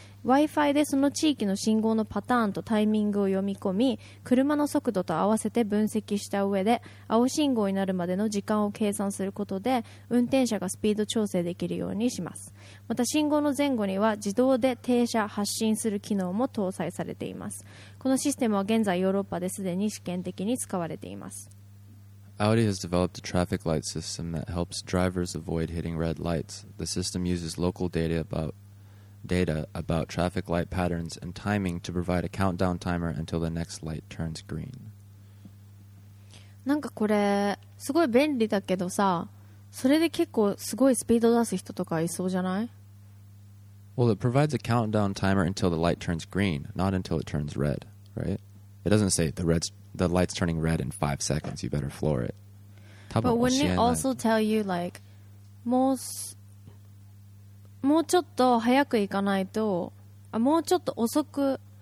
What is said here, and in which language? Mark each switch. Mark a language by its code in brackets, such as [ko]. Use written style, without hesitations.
[ja] Wi-Fi でその地域の信号のパターンとタイミングを読み込み、車の速度と合わせて分析した上で、青信号になるまでの時間を計算することで、運転者がスピード調整できるようにします。また信号の前後には自動で停車・発進する機能も搭載されています。このシステムは現在ヨーロッパですでに試験的に使われています。 [en] Audi has developed a traffic light system that helps drivers avoid hitting red lights. The system uses local data about traffic light patterns and timing to provide a countdown timer until the next light turns green. [ja] なんかこれすごい便利だけどさ、それで結構すごいスピード出す人とかいそうじゃない？ [en] Well, it provides a countdown timer until the light turns green, not until it turns red, right? It doesn't say the light's turning red in 5 seconds, you better floor it. But wouldn't it also tell you like [ja] もうちょっと早く行かないと、あ、もうちょっと遅く。